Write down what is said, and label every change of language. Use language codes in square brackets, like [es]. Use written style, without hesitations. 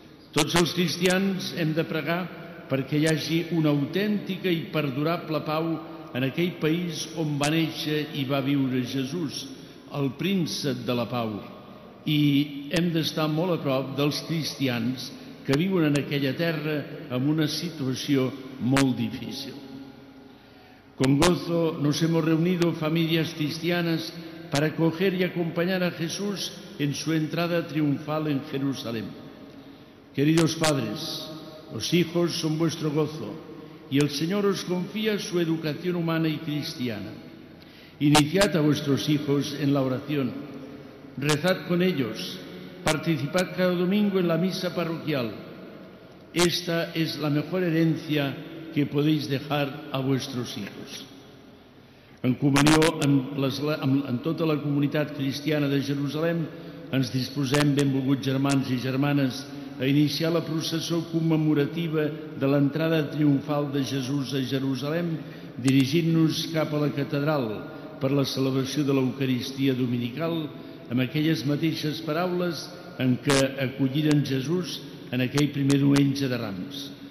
[ca] Tots els cristians hem de pregar perquè hi hagi una autèntica i perdurable pau en aquell país on va néixer i va viure Jesús, el príncep de la pau. I hem d'estar molt a prop dels cristians que viuen en aquella terra en una situació molt difícil. [es] Con gozo nos hemos reunido familias cristianas para acoger y acompañar a Jesús en su entrada triunfal en Jerusalén. Queridos padres, los hijos son vuestro gozo y el Señor os confía su educación humana y cristiana. Iniciad a vuestros hijos en la oración, rezad con ellos, participad cada domingo en la misa parroquial. Esta es la mejor herencia que podéis dejar a vuestros hijos. [ca] En comunió amb tota la comunitat cristiana de Jerusalem, ens disposem, benvolguts germans i germanes, a iniciar la processó commemorativa de l'entrada triomfal de Jesús a Jerusalem, dirigint-nos cap a la catedral per la celebració de l'Eucaristia dominical, amb aquelles mateixes paraules en què acolliren Jesús en aquell primer diumenge de Rams.